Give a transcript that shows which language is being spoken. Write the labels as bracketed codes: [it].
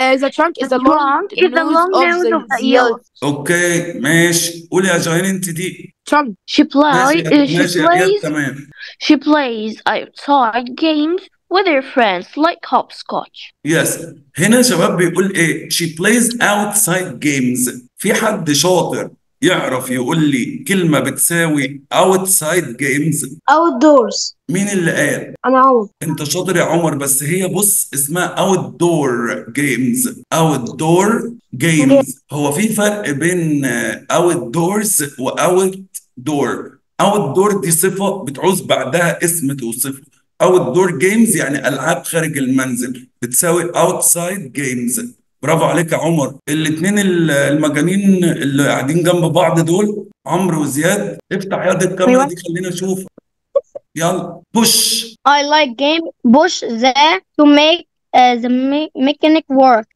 [en] The trunk is the long nose of the [ar] elephant. اوكي ماشي قول يا جهاد انت دي. [en] Trunk. She plays outside games with her friends like hopscotch. Yes. [ar] هنا شباب بيقول ايه؟ [en] She plays outside games. [ar] في حد شاطر يعرف يقول لي كلمة بتساوي outside games؟ [en] outdoors. [ar] مين اللي قال؟ أنا عمر. أنت شاطر يا عمر بس هي بص اسمها outdoor games. outdoor games. هو في فرق بين outdoors و outdoor. outdoor دي صفة بتعوز بعدها اسم توصف. outdoor games يعني ألعاب خارج المنزل بتساوي outside games. برافو عليك يا عمر. الاثنين المجانين اللي قاعدين جنب بعض دول عمرو وزياد افتح يد الكاميرا دي خلينا نشوف. يلا بوش. [en] I like game push the to make the mechanic work.